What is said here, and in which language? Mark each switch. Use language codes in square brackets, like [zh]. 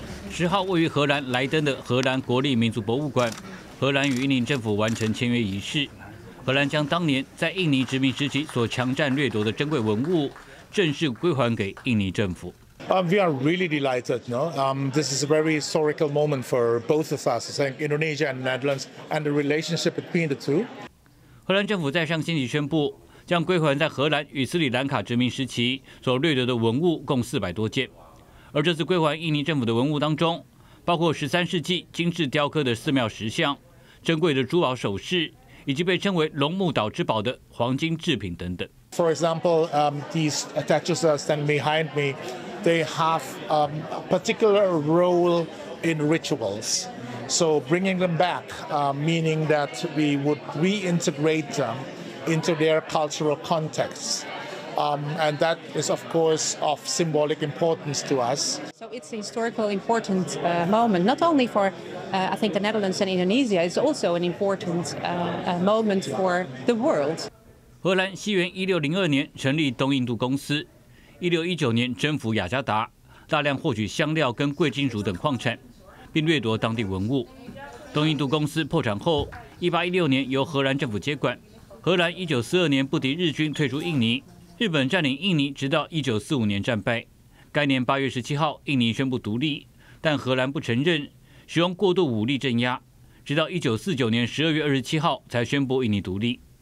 [zh] 10号位于荷兰莱登的荷兰国立民族博物馆，荷兰与印尼政府完成签约仪式。荷兰将当年在印尼殖民时期所强占掠夺的珍贵文物正式归还给印尼政府。 [en] We are really delighted, no? This is a very historical moment for both of us, I think Indonesia and Netherlands, and the relationship between the two. [zh] 荷兰政府在上星期宣布，将归还在荷兰与斯里兰卡殖民时期所掠夺的文物共400多件。而这次归还印尼政府的文物当中，包括13世纪精致雕刻的寺庙石像、珍贵的珠宝首饰，以及被称为龙目岛之宝的黄金制品等等。 [en] For example, these statues that stand behind me, they have a particular role in rituals. So bringing them back, meaning that we would reintegrate them into their cultural context. And that is, of course, of symbolic importance to us. So it's a historical important moment, not only for, I think, the Netherlands and Indonesia, it's also an important moment for the world. [zh] 荷兰西元1602年成立东印度公司，1619年征服雅加达，大量获取香料跟贵金属等矿产，并掠夺当地文物。东印度公司破产后，1816年由荷兰政府接管。荷兰1942年不敌日军退出印尼。日本占领印尼直到1945年战败，该年8月17号印尼宣布独立，但荷兰不承认，使用过度武力镇压，直到1949年12月27号才宣布印尼独立。